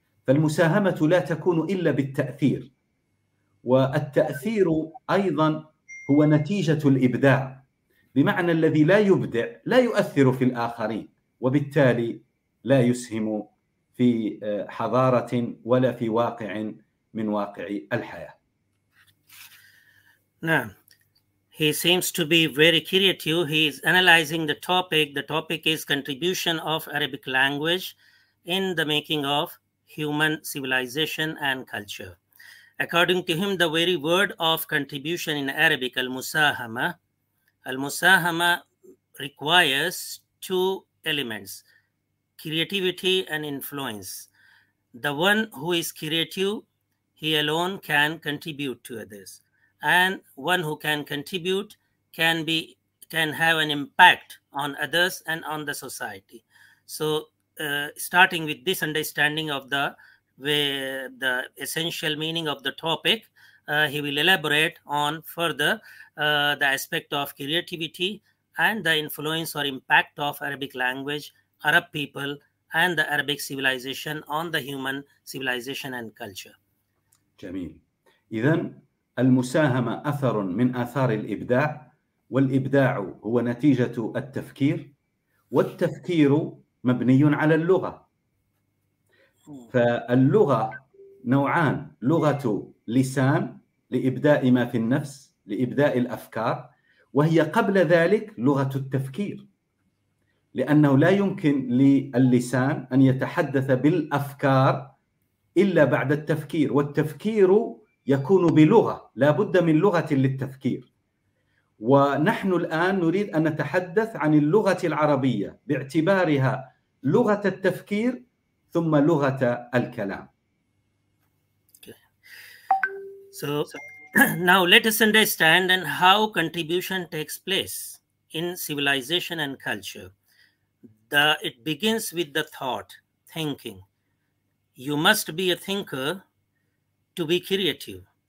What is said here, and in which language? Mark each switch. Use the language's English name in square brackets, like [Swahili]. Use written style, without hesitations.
[Arabic] فالمساهمة لا تكون إلا بالتأثير، والتأثير أيضا هو نتيجة الإبداع، بمعنى الذي لا يبدع لا يؤثر في الآخرين، وبالتالي لا يسهم في حضارة ولا في واقع من واقع الحياة. نعم. [English] He seems to be very creative. He is analyzing the topic. The topic is contribution of Arabic language in the making of human civilization and culture. According to him, the very word of contribution in Arabic, al-musahama requires two elements, creativity and influence. The one who is creative, he alone can contribute to others. And one who can contribute can have an impact on others and on the society. So starting with this understanding of the essential meaning of the topic, he will elaborate on further the aspect of creativity and the influence or impact of Arabic language, Arab people, and the Arabic civilization on the human civilization and culture. [Arabic] جميل. إذن المساهمة أثر من آثار الإبداع، والإبداع هو نتيجة التفكير، والتفكير مبني على اللغة. فاللغة نوعان: لغة لسان لإبداء ما في النفس، لإبداء الأفكار، وهي قبل ذلك لغة التفكير، لأنه لا يمكن للسان أن يتحدث بالأفكار إلا بعد التفكير، والتفكير يكون بلغة، لا بد من لغة للتفكير. ونحن الآن نريد أن نتحدث عن اللغة العربية باعتبارها لغة التفكير ثم لغة الكلام. [English] So now let us understand and how contribution takes place in civilization and culture. It begins with the thought, thinking. You must be a thinker to be creative.